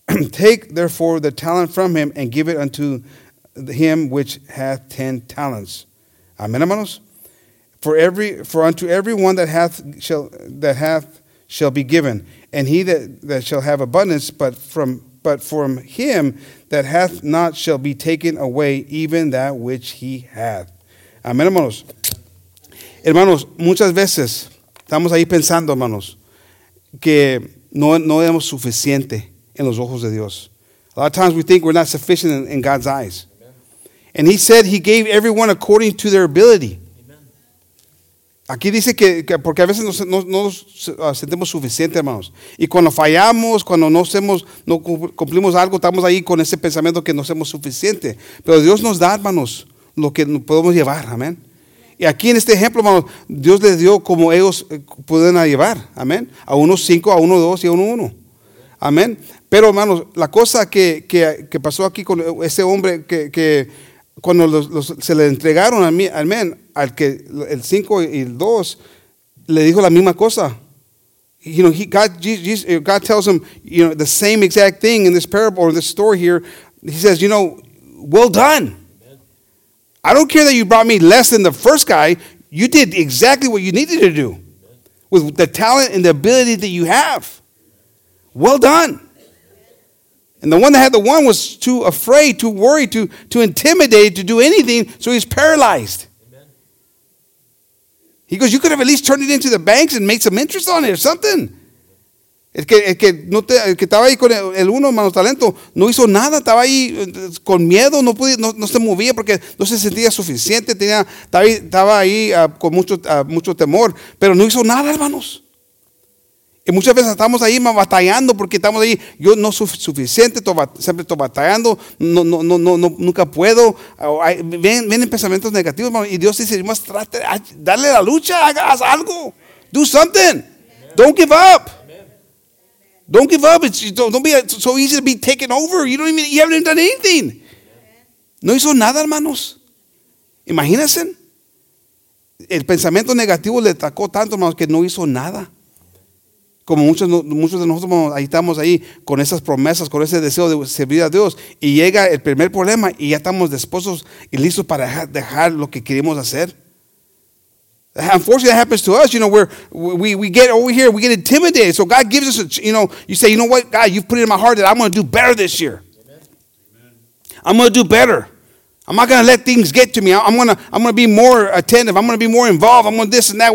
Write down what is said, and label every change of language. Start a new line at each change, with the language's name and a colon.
English: Take therefore the talent from him and give it unto him which hath 10 talents. Amen,
Spanish: hermanos.
English: For unto every one that hath shall be given, and he that shall have abundance, but from him that hath not shall be taken away even that which he hath.
Spanish: Amen, hermanos. Hermanos, muchas veces estamos ahí pensando, hermanos, que no hemos suficiente en los ojos de Dios.
English: A lot of times we think we're not sufficient in God's eyes. Amen. And he said he gave everyone according to their ability. Amen.
Spanish: Aquí dice que porque a veces no sentimos suficiente, hermanos. Y cuando fallamos, cuando no cumplimos algo, estamos ahí con ese pensamiento que no somos suficiente. Pero Dios nos da, hermanos, lo que podemos llevar. Amén. Y aquí en este ejemplo, hermanos, Dios les dio como ellos pueden llevar. Amén. A uno cinco, a uno dos y a uno uno. Amén. Pero, hermanos, la cosa que pasó aquí con ese hombre que cuando se le entregaron a mí, amén, al que el cinco y el dos, le dijo la misma cosa.
English: You know, God tells him, you know, the same exact thing in this parable, or this story here. He says, you know, well done. I don't care that you brought me less than the first guy. You did exactly what you needed to do with the talent and the ability that you have. Well done. And the one that had the one was too afraid, too worried, too intimidated to do anything, so he's paralyzed. He goes, you could have at least turned it into the banks and made some interest on it or something.
Spanish: El que estaba ahí con el uno, hermano, talento, no hizo nada, estaba ahí con miedo, no se movía porque no se sentía suficiente, estaba ahí con mucho temor, pero no hizo nada, hermanos. Y muchas veces estamos ahí batallando porque estamos ahí, yo no soy suficiente, siempre estoy batallando, nunca puedo. Vienen pensamientos negativos, hermano, y Dios dice, dale la lucha, haz algo,
English: do something, don't give up. Don't give up. It's so easy to be taken over. You haven't even done anything.
Spanish: No hizo nada, hermanos. Imagínense. El pensamiento negativo le atacó tanto, hermanos, que no hizo nada. Como muchos de nosotros, hermanos, ahí estamos ahí con esas promesas, con ese deseo de servir a Dios. Y llega el primer problema y ya estamos dispuestos y listos para dejar lo que queremos hacer.
English: Unfortunately, that happens to us. You know, we get over here, we get intimidated. So God gives us, you say, you know what, God, you've put it in my heart that I'm going to do better this year. Amen. I'm going to do better. I'm not going to let things get to me. I'm going to be more attentive. I'm going to be more involved. I'm going to this and that.